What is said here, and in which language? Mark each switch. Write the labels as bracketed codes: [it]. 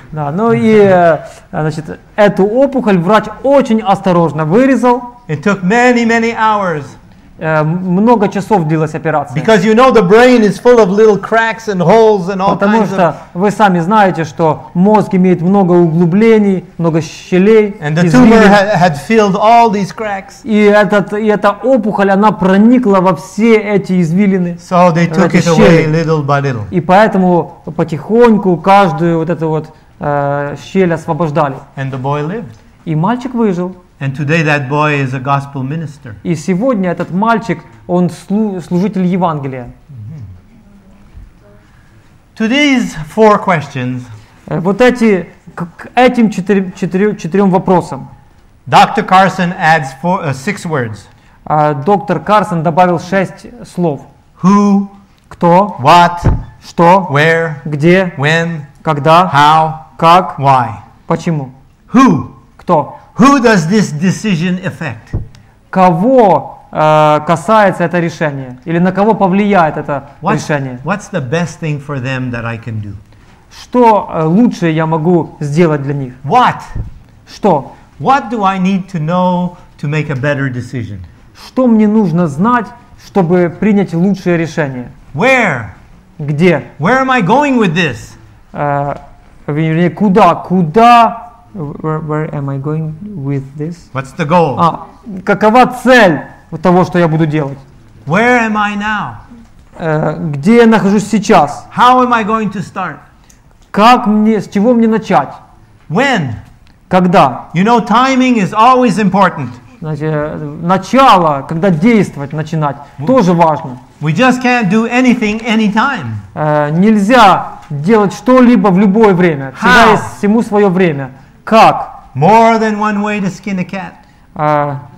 [ru] Да, ну и значит, эту опухоль врач очень осторожно вырезал. [en] It took many, many hours. [ru] Много часов длилась операция. [en] Because you know the brain is full of little cracks and holes and all [ru] Потому [en] kinds [ru] что вы сами знаете, что мозг имеет много углублений, много щелей. [en] And the tumor had filled all these cracks. [ru] И эта опухоль, она проникла во все эти извилины. [en] So they took it away little by little. [ru] И поэтому потихоньку каждую вот эту вот щель освобождали. [en] And the boy lived. [ru] И мальчик выжил. [en] And today that boy is a gospel minister. [ru] И сегодня этот мальчик, он служитель Евангелия. [en] To these four questions. [ru] Вот эти к этим четырем вопросам. [en] Dr. Carson adds six words. [ru] Доктор Карсон добавил 6 слов. [en] Who? [ru] Кто? [en] What? [ru] Что? [en] Where? [ru] Где? [en] When? [ru] Когда? [en] How? [ru] Как? [en] Why? [ru] Почему? [en] Who? [ru] Кто? [en] Who does this decision affect? [ru] Кого касается это решение? Или на кого повлияет это решение? [en] What's the best thing for them that I can do? [ru] Что лучшее я могу сделать для них? [en] What? [ru] Что? [en] What do I need to know to make a better decision? [ru] Что мне нужно знать, чтобы принять лучшее решение? [en] Where? [ru] Где? [en] Where am I going with this? [ru] Вернее, куда? Куда? [en] Where am I going with this? What's the goal? [ru] Какова цель того, что я буду делать? [en] Where am I now? [ru] Где я нахожусь сейчас? [en] How am I going to start? [ru] Как мне, с чего мне начать? [en] When? [ru] Когда? [en] You know, timing is always important. [ru] Значит, начало, когда действовать, начинать, тоже важно. [en] We just can't do anything anytime. [ru] Нельзя делать что-либо в любое время. [en] How? [ru] Всегда есть всему свое время. Как? [en] More than one way to skin a cat.